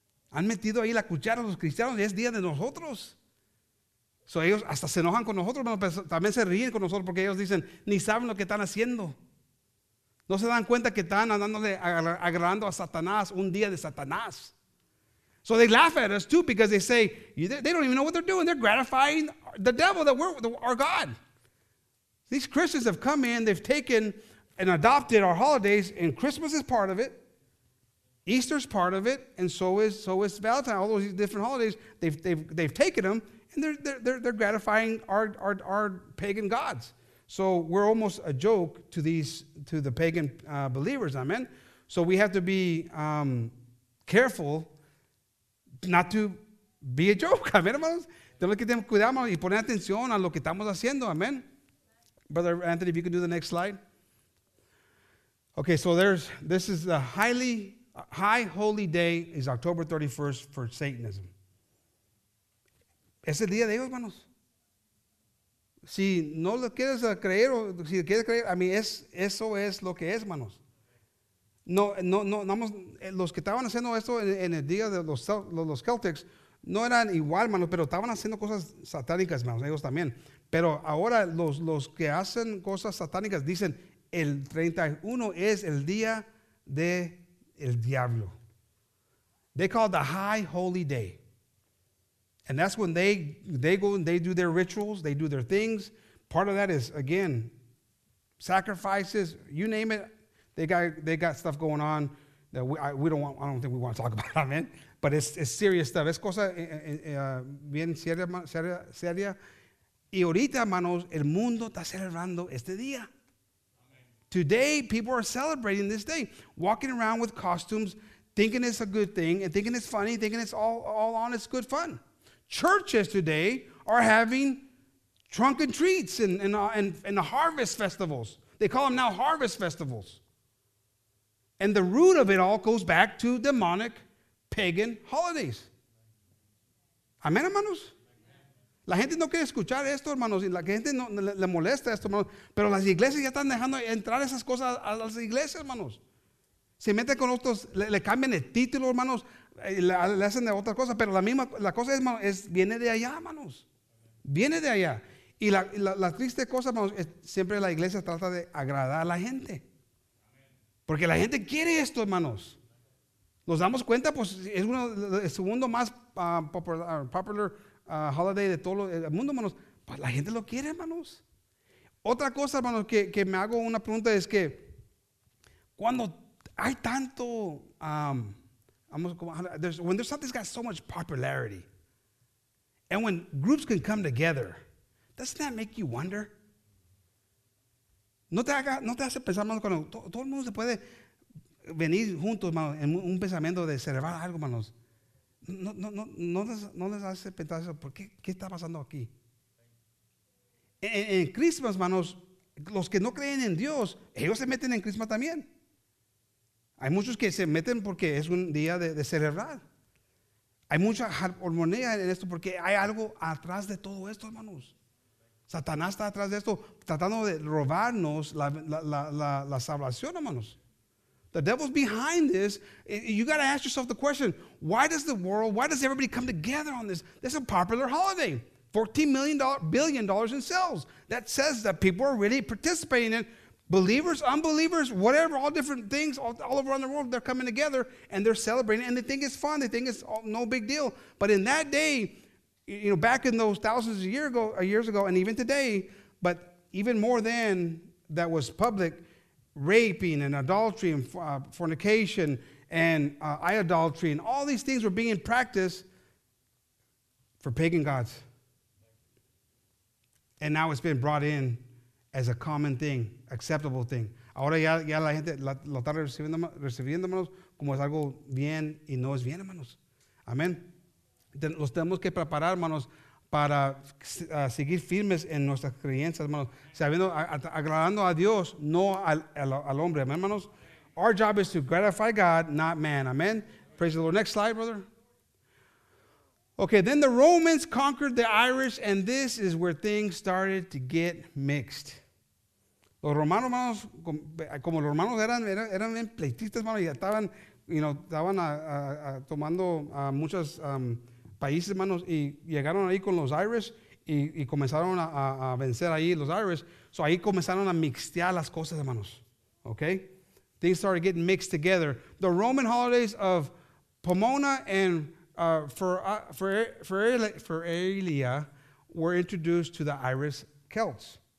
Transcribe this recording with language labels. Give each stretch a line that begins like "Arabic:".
Spanish: Han metido ahí la cuchara a los cristianos y es día de nosotros. So ellos hasta se enojan con nosotros, pero también se ríen con nosotros porque ellos dicen, ni saben lo que están haciendo. No se dan cuenta que están andándole agarrando a Satanás un día de Satanás.
English: So they laugh at us too because they say, they don't even know what they're doing. They're gratifying the devil that we're our God. These Christians have come in, they've taken and adopted our holidays, and Christmas is part of it. Easter's part of it, and so is Valentine. All those different holidays, they've taken them, and they're gratifying our pagan gods. So we're almost a joke to the pagan believers. Amen. So we have to be careful not to be a joke. Amen, hermanos.
Spanish: Tenemos que tener cuidado y poner atención a lo que estamos haciendo.
English: Amen. Brother Anthony, if you could do the next slide. Okay, so this is a high holy day is October 31st for Satanism.
Spanish: Es el día de ellos, hermanos. Si no lo quieres creer, o si quieres creer, a mí eso es lo que es, hermanos. No, no, no, vamos, los que estaban haciendo esto en el día de los Celtics no eran igual, hermanos, pero estaban haciendo cosas satánicas, hermanos, ellos también. Pero ahora los que hacen cosas satánicas dicen el 31 es el día del diablo.
English: They call it the high holy day. And that's when they go and they do their rituals, they do their things. Part of that is, again, sacrifices, you name it. They got stuff going on that I don't think we want to talk about, amen. But it's serious stuff.
Spanish: Es cosa bien seria. Y ahorita, hermanos, el mundo está celebrando este día.
English: Today, people are celebrating this day, walking around with costumes, thinking it's a good thing, and thinking it's funny, thinking it's all on, it's good fun. Churches today are having trunk and treats and the harvest festivals. They call them now harvest festivals. And the root of it all goes back to demonic pagan holidays.
Spanish: Amén, hermanos. La gente no quiere escuchar esto, hermanos, y la gente no le molesta esto, hermanos. Pero las iglesias ya están dejando entrar esas cosas a las iglesias, hermanos. Se meten con otros, le cambian el título, hermanos. Le hacen de otra cosa, pero la cosa es, hermano, viene de allá, hermanos. Viene de allá. Y la triste cosa, hermanos, es siempre la iglesia trata de agradar a la gente. Porque la gente quiere esto, hermanos. Nos damos cuenta, pues es uno el segundo más popular holiday de todo el mundo, hermanos. Pues la gente lo quiere, hermanos. Otra cosa, hermanos, que me hago una pregunta es que cuando hay tanto.
English: When something's got so much popularity, and when groups can come together, doesn't that make you wonder?
Spanish: No te hace pensar, hermanos, cuando todo el mundo se puede venir juntos, hermanos, en un pensamiento de celebrar algo, hermanos. No les hace pensar eso. ¿Por qué? ¿Qué está pasando aquí? En Christmas, hermanos, los que no creen en Dios, ellos se meten en Christmas también. Hay muchos que se meten porque es un día de celebrar. Hay mucha armonía en esto porque hay algo atrás de todo esto, hermanos. Satanás está atrás de esto, tratando de robarnos la salvación, hermanos.
English: The devil's behind this. You got to ask yourself the question, why does everybody come together on this? This is a popular holiday. $14 billion in sales. That says that people are really participating in it. Believers, unbelievers, whatever, all different things, all over around the world, they're coming together and they're celebrating and they think it's fun, they think it's all, no big deal. But in that day, you know, back in those thousands of years ago, and even today, but even more then, that was public, raping and adultery and fornication and idolatry and all these things were being practiced for pagan gods. And now it's been brought in as a common thing, acceptable thing.
Spanish: Ahora ya, ya la gente lo está recibiendo, hermanos, como es algo bien y no es bien, hermanos. Amén. Los tenemos que preparar, hermanos, para seguir firmes en nuestras creencias, hermanos, sabiendo, agradando a Dios, no al hombre. Amén, hermanos.
English: Our job is to gratify God, not man. Amen. Praise the Lord. Next slide, brother. Okay, then the Romans conquered the Irish, and this is where things started to get mixed.
Spanish: Los romanos, hermanos, como los romanos eran bien pleititos, hermanos, y estaban,
English: you know,
Spanish: estaban tomando muchos países, hermanos, y llegaron ahí con los Irish y comenzaron a vencer ahí los Irish. So ahí comenzaron a mixtear las cosas, hermanos.
English: Okay? Things started getting mixed together. The Roman holidays of Pomona and Feralia were introduced to the Irish Celts.